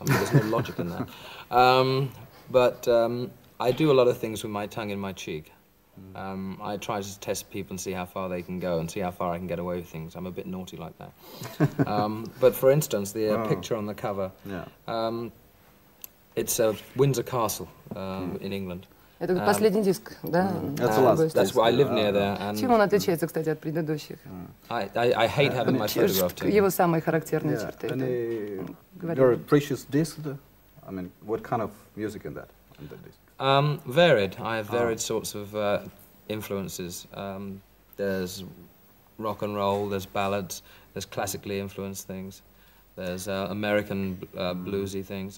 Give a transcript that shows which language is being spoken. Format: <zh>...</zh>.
<en>I mean, there's no logic in that. But I do a lot of things with my tongue in my cheek. I try to test people and see how far they can go and see how far I can get away with things. I'm a bit naughty like that. But for instance, the picture on the cover, it's a Windsor Castle in England.</en> <ru>Это последний диск, да?</ru> <en>That's why I live near there. And</en> <ru>чем он отличается, кстати, от предыдущих?</ru> <en>I hate having my photograph taken.</en> <ru>Его самые характерные черты.</ru> <en>Any very precious disc? I mean, what kind of music in that? In the disc? Varied. I have varied sorts of influences. There's rock and roll, there's ballads, there's classically influenced things, there's American bluesy things.</en>